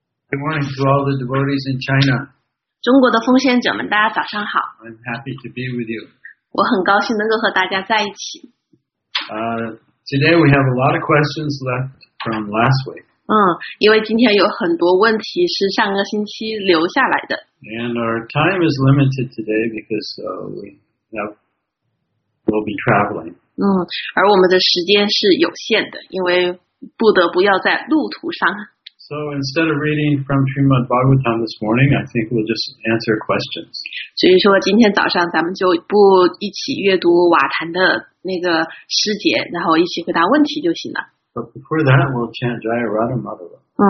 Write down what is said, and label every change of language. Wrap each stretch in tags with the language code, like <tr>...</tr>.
<en>Good morning to all the devotees in China。</en> <zh>中国的奉献者们，大家早上好。</zh> <en>I'm happy to be with you。</en> <zh>我很高兴能够和大家在一起。</zh> <en>Today we have a lot of questions left from last week.</en> <zh>因为今天有很多问题是上个星期留下来的。</zh> <en>And our time is limited today because we'll be traveling.</en> <zh>而我们的时间是有限的，因为不得不要在路途上。</zh> <en>So instead of reading from Srimad Bhagavatam this morning, I think we'll just answer questions.</en> <zh>所以说今天早上咱们就不一起阅读瓦坛的那个师姐，然后一起回答问题就行了。</zh> <en>But before that, we'll chant Jaya Radha Madhava.</en>